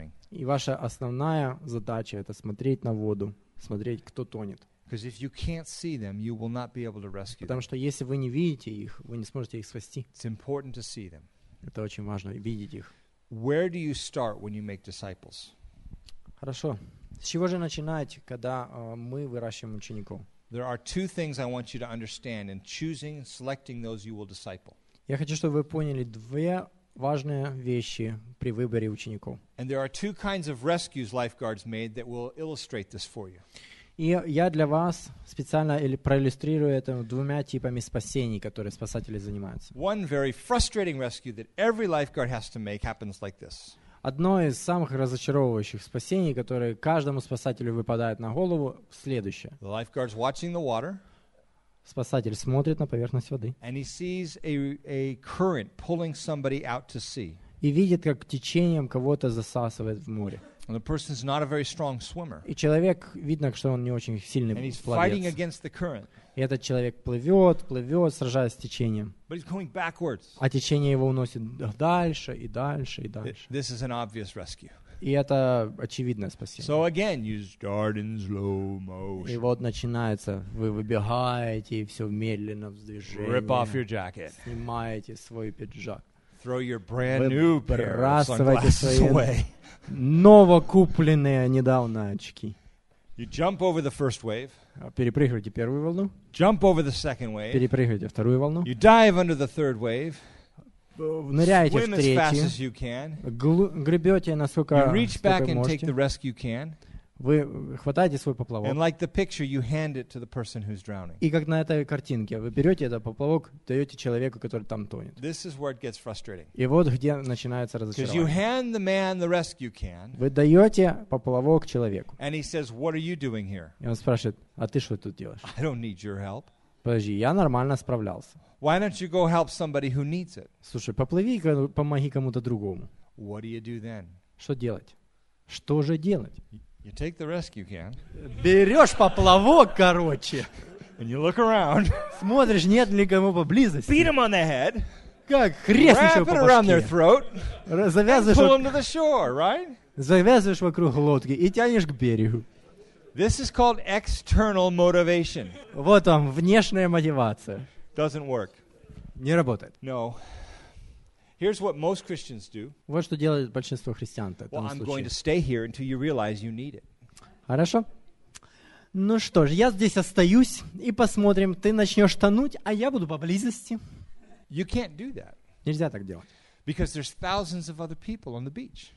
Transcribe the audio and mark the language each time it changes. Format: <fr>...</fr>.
<ru>И ваша основная задача — это смотреть на воду, смотреть, кто тонет.</ru> <en>Because if you can't see them, you will not be able to rescue them.</en> <ru>Потому что если вы не видите их, вы не сможете их спасти.</ru> <en>It's important to see them.</en> <ru>Это очень важно видеть их.</ru> <en>Where do you start when you make disciples?</en> <ru>Хорошо. С чего же начинать, когда мы выращиваем учеников?</ru> <en>There are two things I want you to understand in choosing, selecting those you will disciple.</en> <ru>Я хочу, чтобы вы поняли две важные вещи при выборе учеников.</ru> <en>And there are two kinds of rescues lifeguards made that will illustrate this for you.</en> <ru>И я для вас специально проиллюстрирую это двумя типами спасений, которые спасатели занимаются.</ru> <en>One very frustrating rescue that every lifeguard has to make happens like this.</en> <ru>Одно из самых разочаровывающих спасений, которое каждому спасателю выпадает на голову, следующее.</ru> <en>The lifeguard's watching the water.</en> <ru>Спасатель смотрит на поверхность воды.</ru> <en>And he sees a current pulling somebody out to sea.</en> <ru>И видит, как течением кого-то засасывает в море.</ru> <en>And the person is not a very strong swimmer.</en> <ru>И человек видно, что он не очень сильный пловец.</ru> <en>And he's fighting against the current.</en> <ru>И этот человек плывет, сражаясь с течением.</ru> <en>But he's going backwards.</en> <ru>А течение его уносит дальше и дальше и дальше.</ru> <en>This is an obvious rescue.</en> <ru>И это очевидное спасение.</ru> <en>So again, you start in slow motion.</en> <ru>И вот начинается, вы выбегаете и все медленно в движении.</ru> <en>Rip off your jacket.</en> <ru>Снимаете свой пиджак.</ru> <en>Throw your brand new pair of sunglasses away.</en> <ru>Новокупленные недавно очки.</ru> <en>You jump over the first wave.</en> <ru>Перепрыгиваете первую волну.</ru> <en>Jump over the second wave.</en> <ru>Перепрыгиваете вторую волну.</ru> <en>You dive under the third wave.</en> <ru>Ныряете</ru> <en>Swim</en> <ru>в третью.</ru> <en>As fast as you can.</en> <ru>Гребете насколько можете.</ru> <en>You reach back and</en> <ru>можете.</ru> <en>Take the rescue can.</en> <ru>Вы хватаете свой поплавок.</ru> <en>And like the picture, you hand it to the person who's drowning.</en> <ru>И как на этой картинке, вы берете этот поплавок, даете человеку, который там тонет.</ru> <en>This is where it gets frustrating.</en> <ru>И вот где начинается разочарование.</ru> <en>Because you hand the man the rescue can.</en> <ru>Вы даете поплавок человеку.</ru> <en>And he says, "What are you doing here?"</en> <ru>И он спрашивает, а ты что тут делаешь?</ru> <en>I don't need your help.</en> <ru>Подожди, я нормально справлялся.</ru> <en>Why don't you go help somebody who needs it?</en> <ru>Слушай, поплыви, помоги кому-то другому.</ru> <en>What do you do then?</en> <ru>Что делать? Что же делать?</ru> <en>You take the rescue can.</en> <ru>Берешь поплавок, короче.</ru> <en>And you look around.</en> <ru>Смотришь, нет ли кому поблизости.</ru> <en>Beat them on the head.</en> <ru>Как хрест еще по башке.</ru> <en>Wrap it around their throat.</en> <ru>Завязываешь.</ru> <en>And pull them to the shore, right?</en> <ru>Завязываешь вокруг лодки и тянешь к берегу.</ru> <en>This is called external motivation.</en> <ru>Вот он, внешняя мотивация.</ru> <en>Doesn't work.</en> <ru>Не работает.</ru> <en>No. Here's what most Christians do.</en> <ru>Вот что делает большинство христиан.</ru> <en>Well, I'm going to stay here until you realize you need it.</en> <ru>Хорошо. Ну что ж, я здесь остаюсь и посмотрим. Ты начнешь тонуть, а я буду поблизости.</ru> <en>You can't do that.</en> <ru>Нельзя так делать.</ru> <en>Because there's thousands of other people on the beach.</en>